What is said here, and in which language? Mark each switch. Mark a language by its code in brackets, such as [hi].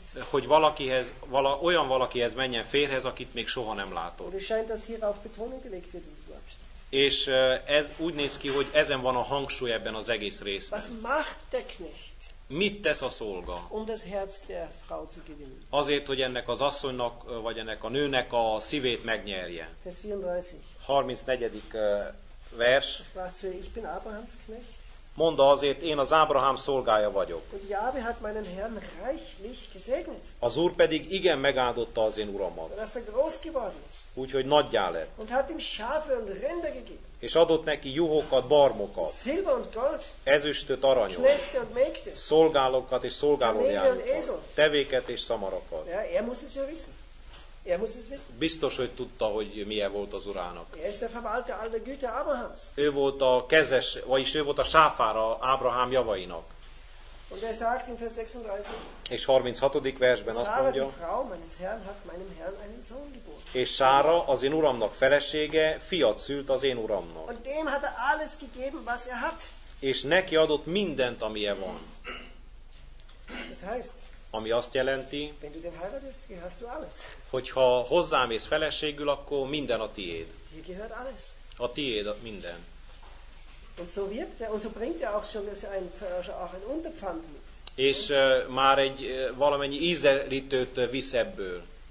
[hu] Hogy valakihez, olyan valakihez menjen férhez, akit még soha nem látott. [de] Und es scheint, dass hierauf Betonung gelegt wird. [hu] És ez úgy néz ki, hogy ezen van a hangsúly ebben az egész részben. [de] Was macht der Knecht? [hu] Mit tesz a szolga? [de] Um das Herz der Frau zu gewinnen. [hu] Azért, hogy ennek az asszonynak, vagy ennek a nőnek a szívét megnyerje. 34. vers. [de] Ich bin Abrahams Knecht. [hu] Mondta azért, én az Ábrahám szolgája vagyok. [de] Und Jahwe hat meinen Herrn reichlich gesegnet. [hu] Az Úr pedig igen megáldotta az én uramat. [de] Dass er groß geworden ist. [hu] Úgyhogy nagyjá lett. [de] Und hat ihm Schafe und Rinder gegeben. [hu] És adott neki juhokat, barmokat. [de] Silber und Gold. [hu] Ezüstöt, aranyot. [de] Knechte und Mägde. [hu] Szolgálókat és szolgálójárókat. [de] Kamele und Esel. [hu] Tevéket és szamarakat. [de] Ja, er muss es ja wissen. Er muss es wissen. [hu] Biztos, hogy tudta, hogy milyen volt az urának. [de] Er ist der Verwalter all der Güter Abrahams. [hu] Ő volt a kezes, vagyis ő volt a sáfára Ábrahám javainak. [de] Und er sagt in Vers 36. [hu] És 36. versben azt mondja. [de] Sára, die Frau meines Herrn, hat meinem Herrn einen Sohn geboren. [hu] És Sára, az én uramnak felesége, fiat szült az én uramnak. [de] Und dem hat er alles gegeben, was er hat. [hu] És neki adott mindent, amilyen van. [de] Das heißt, [hu] ami azt jelenti, [de] wenn du den heiratest, hast du alles. [hu] Hogyha hozzámész feleségül, akkor minden a tiéd. [de] Hier gehört alles. [hu] A tiéd minden. [de] Und so wirbt er, und so bringt er auch schon ein Unterpfand mit. [hu] És már egy valamennyi ízelítőt visz ebből.